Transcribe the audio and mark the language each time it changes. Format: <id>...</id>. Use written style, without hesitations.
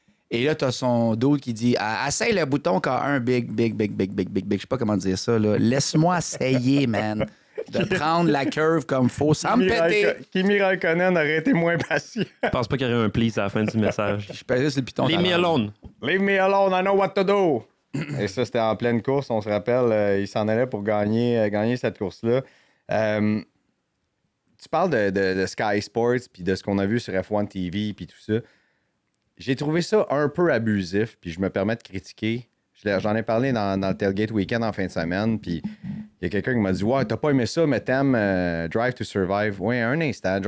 <fr>Et là, t'as son dos qui dit « Essaye le bouton K1,</fr> <en>big, big, big, big,</en> <fr>big, big, big. » Je sais pas comment dire ça, là. Laisse-moi essayer, man. de prendre la curve comme faux sans me péter. Kimi Raikkonen aurait été moins patient. Je pense pas qu'il y aurait un please à la fin du message. Je pensais que c'est le piton.</fr> <en>Leave me alone. Leave me alone, I know what to do.</en> <fr>Et ça, c'était en pleine course, on se rappelle. Il s'en allait pour gagner cette course-là. Tu parles de Sky Sports puis de ce qu'on a vu sur F1 TV puis tout ça. J'ai trouvé ça un peu abusif, puis je me permets de critiquer. J'en ai parlé dans le Tailgate Weekend en fin de semaine, puis il y a quelqu'un qui m'a dit « Ouais, t'as pas aimé ça, mais t'aimes Drive to Survive. » Oui, un instant.</fr>